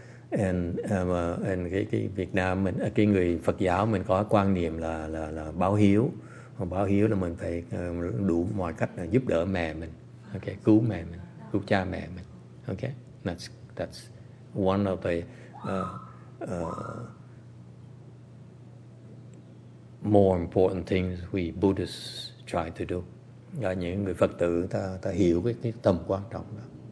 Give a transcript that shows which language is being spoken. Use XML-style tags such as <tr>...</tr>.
<vi>And cái Việt Nam mình, cái người Phật giáo mình có quan niệm là báo hiếu. Báo hiếu là mình phải đủ mọi cách giúp đỡ mẹ mình, okay, cứu mẹ mình, cứu cha mẹ mình.</vi> <en>Okay, that's one of the more important things we Buddhists try to do.</en> <vi>Là những người Phật tử ta hiểu cái tầm quan trọng đó.</vi>